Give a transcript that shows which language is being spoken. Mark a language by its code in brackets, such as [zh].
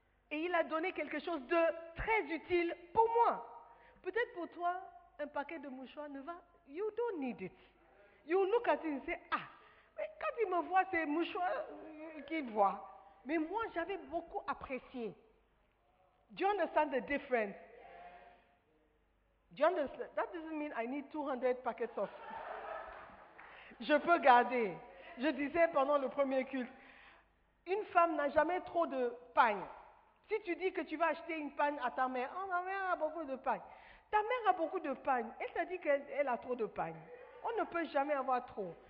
[fr] Et il a donné quelque chose de très utile pour moi. Peut-être pour toi, un paquet de mouchoirs ne va... [en] You don't need it. You look at it and say, [fr] ah, mais quand il me voit, c'est mouchoir qu'il voit. Mais moi, j'avais beaucoup apprécié. [en] Do you understand the difference? Do you understand? That doesn't mean I need 200 packets of... [fr] Je peux garder. Je disais pendant le premier culte, une femme n'a jamais trop de pagne. Si tu dis que tu vas acheter une pagne à ta mère, oh, ma mère a beaucoup de pagne. Ta mère a beaucoup de pagne. Elle t'a dit qu'elle a trop de pagne. On ne peut jamais avoir trop.